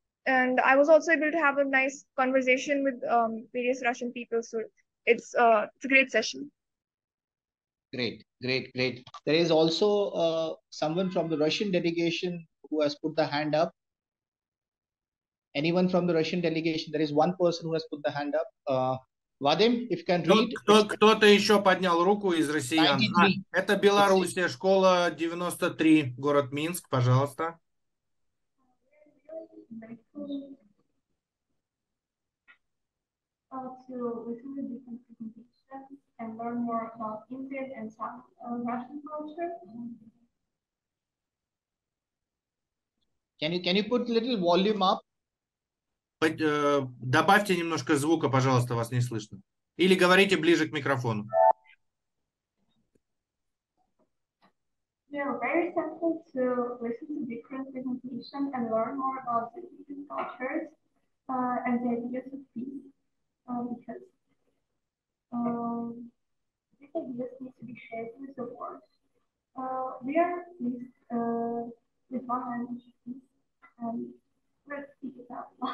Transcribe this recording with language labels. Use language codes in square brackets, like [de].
[en] And I was also able to have a nice conversation with various Russian people. So it's a great session. Great. There is also someone from the Russian delegation who has put the hand up. Anyone from the Russian delegation? There is one person who has put the hand up. Вадим, if you can read. [ru] Кто-то еще поднял руку из россиян. Это Белоруссия, школа 93, город Минск, пожалуйста. [en] To listen to different presentations and learn more about Indian and South Russian culture. Can you put a little volume up? [ru] Добавьте немножко звука, пожалуйста, вас не слышно. Или говорите ближе к микрофону. [en] We are very thankful to listen to different presentations and learn more about different cultures and the ideas of peace. Because these ideas need to be shared with the world. We are pleased with one language and let's speak it out.